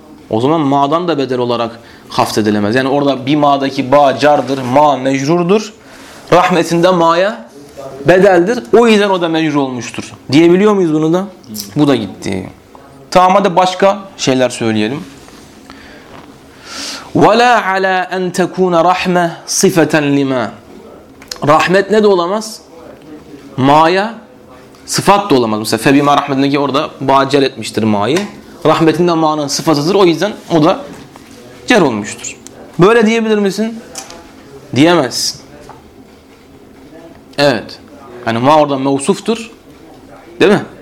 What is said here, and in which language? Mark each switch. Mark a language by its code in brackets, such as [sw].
[tr] O zaman ma'dan da bedel olarak haft edilemez. Yani orada bir ma'daki ba cardır, ma mecrurdur. Rahmetinde ma'ya bedeldir. O yüzden o da mecrur olmuştur. Diyebiliyor muyuz bunu da? Bu da gitti. Tamam hadi başka şeyler söyleyelim. [ar] وَلَا عَلَىٰ اَنْ تَكُونَ رَحْمَةً صِفَةً لِمَا [tr] Rahmet ne de olamaz? Ma'ya sıfat da olamaz. Mesela febima rahmetindeki orada bacel etmiştir ma'yı. Rahmetinde ma'nın sıfatıdır. O yüzden o da cer olmuştur. Böyle diyebilir misin? Diyemezsin. Evet. Hani ma orada mevsuftur. Değil mi?